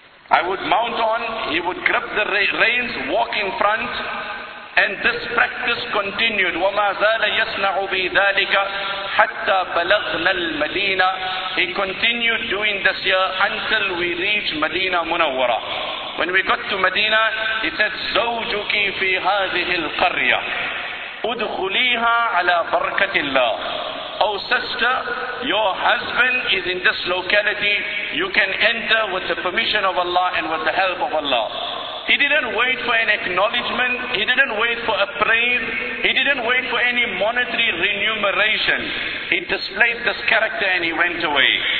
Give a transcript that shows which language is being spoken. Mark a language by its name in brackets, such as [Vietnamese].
[English] I would mount on, he would grip the reins, walk in front, and this practice continued. [Arabic] وَمَا زَالَ يَصْنَعُ بِذَٰلِكَ حَتَّى بَلَغْنَا الْمَدِينَةِ. [English] He continued doing this year until we reached Medina Munawwara. When we got to Medina, he said, [Arabic] زَوْجُكِ فِي هَذِهِ الْقَرْيَةِ اُدْخُلِيهَا عَلَىٰ بَرْكَةِ اللَّهِ. [English] Oh sister, your husband is in this locality. You can enter with the permission of Allah and with the help of Allah. He didn't wait for an acknowledgement. He didn't wait for a praise. He didn't wait for any monetary remuneration. He displayed this character and he went away.